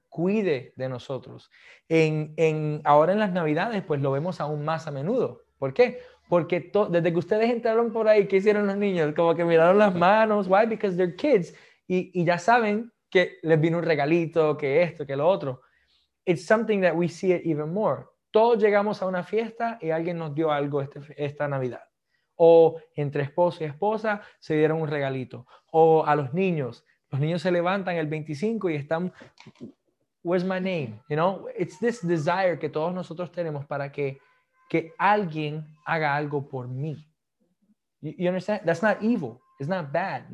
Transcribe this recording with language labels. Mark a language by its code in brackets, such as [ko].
[es] Cuide de nosotros. Ahora en las Navidades, pues lo vemos aún más a menudo. ¿Por qué? Porque desde que ustedes entraron por ahí, ¿qué hicieron los niños? Como que miraron las manos. [en] Why? Because they're kids. [es] Y ya saben que les vino un regalito, que esto, que lo otro. [en] It's something that we see it even more. [es] Todos llegamos a una fiesta y alguien nos dio algo esta Navidad. O entre esposo y esposa se dieron un regalito. O a los niños. Los niños se levantan el 25 y están, [en] where's my name? You know, it's this desire [es] que todos nosotros tenemos para que alguien haga algo por mí. [en] You understand? That's not evil. It's not bad.